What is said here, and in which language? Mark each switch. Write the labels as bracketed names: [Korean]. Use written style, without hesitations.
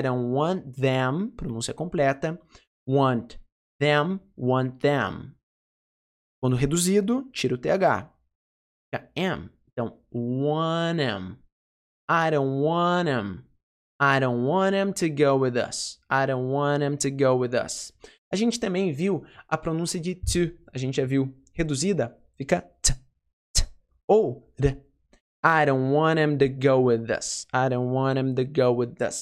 [English] I don't want them. [Portuguese] Pronúncia completa. [English] Want them. Want them. [Portuguese] Quando reduzido, tira o TH. Fica am. [English] Então, want them. I don't want them. I don't want them to go with us. I don't want them to go with us. [Portuguese] A gente também viu a pronúncia de to. A gente já viu reduzida. Fica t. T. Ou r. [English] I don't want him to go with us. I don't want him to go with us.